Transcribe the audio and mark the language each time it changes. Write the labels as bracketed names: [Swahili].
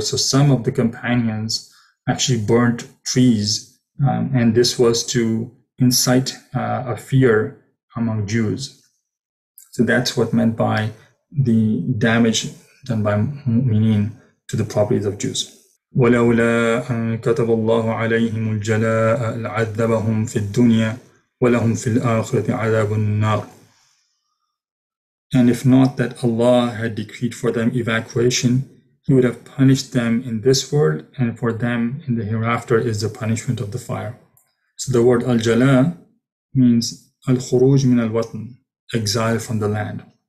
[English] So some of the companions actually burnt trees, and this was to incite a fear among Jews. So that's what meant by the damage done by mu'minin to the properties of Jews. [Arabic] ولولا أن كتب الله عليهم الجلاء لعذبهم في الدنيا ولهم في الآخرة عذاب النار. [English] And if not that Allah had decreed for them evacuation, He would have punished them in this world, and for them in the hereafter is the punishment of the fire. So the word al-jala means [Arabic] al-khuruj min al-watan, [English] exile from the land.